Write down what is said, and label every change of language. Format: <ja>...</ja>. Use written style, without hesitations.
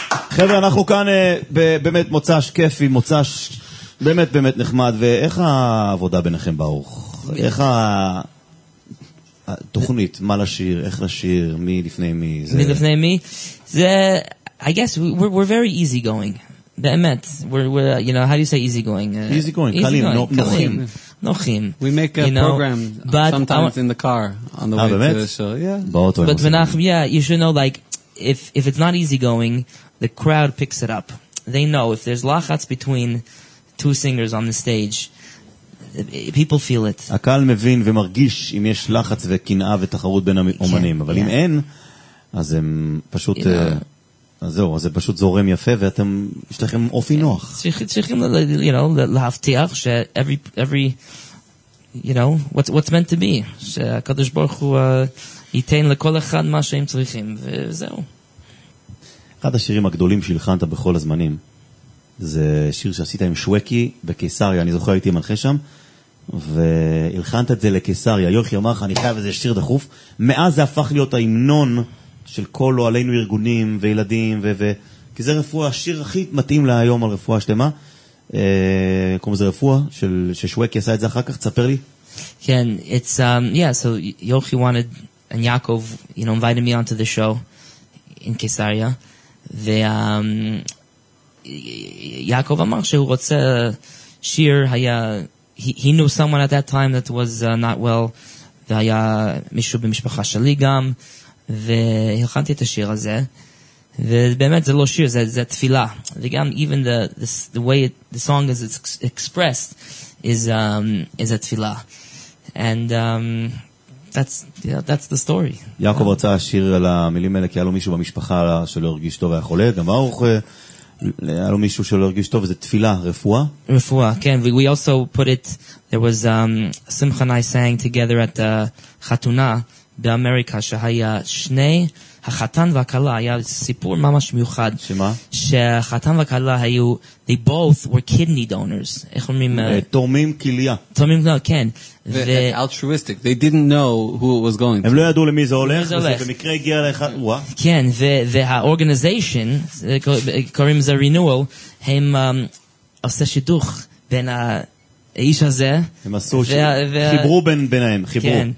<he>חבר'ה, אנחנו כאן באמת מוצש כיפי, מוצש באמת באמת נחמד, ואיך העבודה ביניכם ברוך? איך התוכנית, מה לשיר, איך לשיר, מי לפני מי? מי לפני מי?</he> <en>זה, I guess, we're very easy going. באמת, we're, you know, how do you say easy going? Easy going,</en> <he>קלים, נוחים. נוחים.</he> <en>We make a program sometimes in the car, on the way to the show.</en> <he>באוטו.</he> <en>But Menachem, yeah, you should know, like, if it's not easy going, the crowd picks it up. They know if there's lachatz between two singers on the stage, people feel it.</en> <he>הקהל מבין ומרגיש אם יש לחץ וקנאה ותחרות בין האומנים, אבל אם אין, אז הם פשוט, אז זהו, אז זה פשוט זורם יפה, ואתם, יש לכם אופי נוח. צריכים, you know, להבטיח שאיזה, you know,</he> <en>what's meant to be,</en> <he>שהקדוש ברוך הוא ייתן לכל אחד מה שהם צריכים, וזהו. אחד השירים הגדולים שהלחנת בכל הזמנים, זה שיר שעשית עם שווקי בקיסריה, אני זוכר הייתי מנחה שם, והלחנת את זה לקיסריה, יוחי אמר לך, אני חייב איזה שיר דחוף, מאז זה הפך להיות ההמנון של כל אוהלינו ארגונים וילדים, כי זה רפואה, השיר הכי מתאים להיום על רפואה שלמה, קוראים לזה רפואה, ששווקי עשה את זה אחר כך, תספר לי.</he> <en>כן, it's, yeah, so יוחי wanted, and Yaakov, you know, invited me onto the show in קיסריה,</en> <he>ויעקב אמר שהוא רוצה שיר,</he> <en>he knew someone at that time that was not well,</en> <he>והיה מישהו במשפחה שלי גם, והלחנתי את השיר הזה, ובאמת זה לא שיר, זה תפילה. וגם</he> <en>even the way it, the song is expressed is a תפילה. And that's the story.</en> <he>יעקב רצה השיר על המילים האלה, כי היה לו מישהו במשפחה שלא הרגיש טוב והיה חולה. גם ארוך, היה לו מישהו שלא הרגיש טוב, וזה תפילה, רפואה. רפואה, כן.</he> <en>We also put it, there was Simcha and I sang together at</en> <he>חתונה באמריקה, שהיה שני... החתן והכלה, היה סיפור ממש מיוחד. שמה? שהחתן והכלה היו,</he> <en>they both were kidney donors.</en> <he>איך אומרים? תורמים כליה. תורמים כליה, כן.</he> <en>Altruistic. They didn't know who it was going to.</en> <he>הם לא ידעו למי זה הולך, וזה במקרה הגיע לאחד, וואה. כן, והאורגניזיישן, קוראים זה renewal, הם עושה שידוך בין ה... האיש הזה הם עשו חיברו ביניהם, חיברו.</he>